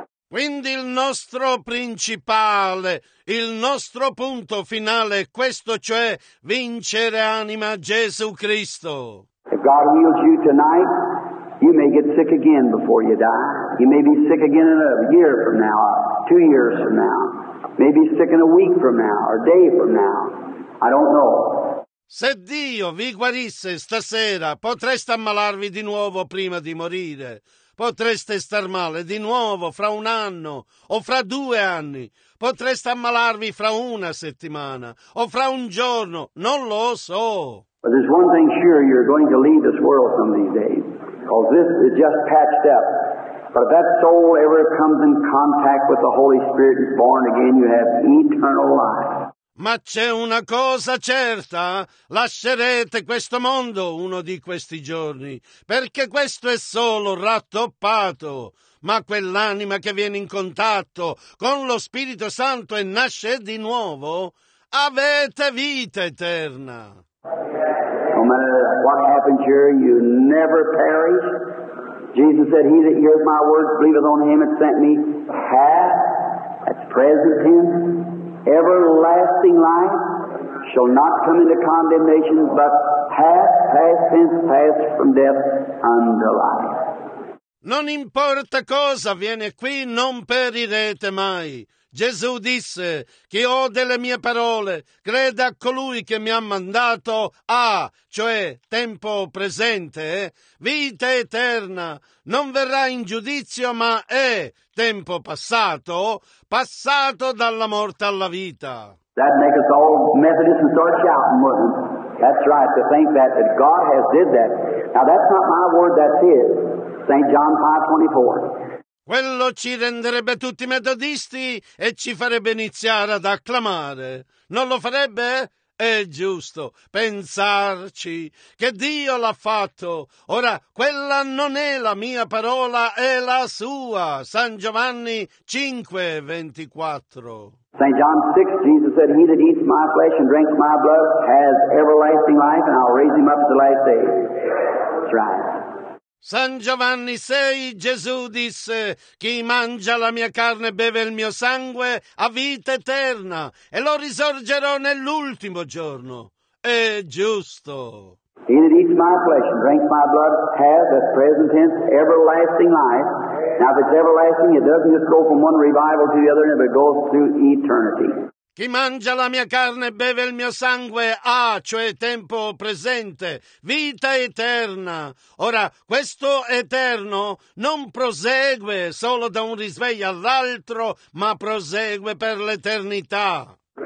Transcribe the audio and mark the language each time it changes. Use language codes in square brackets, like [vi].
[it] Quindi il nostro principale, il nostro punto finale è questo, cioè vincere anima a Gesù Cristo. [en] If God heals you tonight, you may get sick again before you die. You may be sick again in a year from now, 2 years from now. Maybe sick in a week from now, or a day from now. I don't know. [it] Se Dio vi guarisse stasera, potreste ammalarvi di nuovo prima di morire. Potreste star male di nuovo fra un anno o fra 2 anni. Potreste ammalarvi fra una settimana o fra un giorno. Non lo so. [en] But there's one thing sure, you're going to leave this world some of these days. Because this is just patched up. But if that soul ever comes in contact with the Holy Spirit and is born again, you have eternal life. [it] Ma c'è una cosa certa, lascerete questo mondo uno di questi giorni, perché questo è solo rattoppato. Ma quell'anima che viene in contatto con lo Spirito Santo e nasce di nuovo, avete vita eterna. [en] No matter what happens here, you never perish. Jesus said, he that heareth my words, believeth on him that sent me, hath, that's present tense, everlasting life, shall not come into condemnation, but hath, past tense, passed from death unto life. [it] Non importa cosa viene qui, non perirete mai. Gesù disse, chi ode le mie parole, creda a colui che mi ha mandato, ha, cioè tempo presente, vita eterna, non verrà in giudizio, ma è tempo passato, passato dalla morte alla vita. [en] That makes us all Methodists and start shouting. That's right, to think that, that God has did that. Now that's not my word, that's his. St. John 5:24. [it] Quello ci renderebbe tutti metodisti e ci farebbe iniziare ad acclamare. Non lo farebbe? È giusto pensarci che Dio l'ha fatto. Ora, quella non è la mia parola, è la sua. San Giovanni 5:24. [en] St. John 6, Jesus said, he that eats my flesh and drinks my blood has everlasting life, and I'll raise him up to the last day. That's right. [it] San Giovanni 6, Gesù disse, chi mangia la mia carne e beve il mio sangue ha vita eterna e lo risorgerò nell'ultimo giorno. È giusto. [en] He that eats my flesh and drinks my blood has, at present tense, everlasting life. Now if it's everlasting, it doesn't just go from one revival to the other, but it goes through eternity. [it] Chi mangia la mia carne e beve il mio sangue ha, cioè tempo presente, vita eterna. Ora, questo eterno non prosegue solo da un risveglio all'altro, ma prosegue per l'eternità.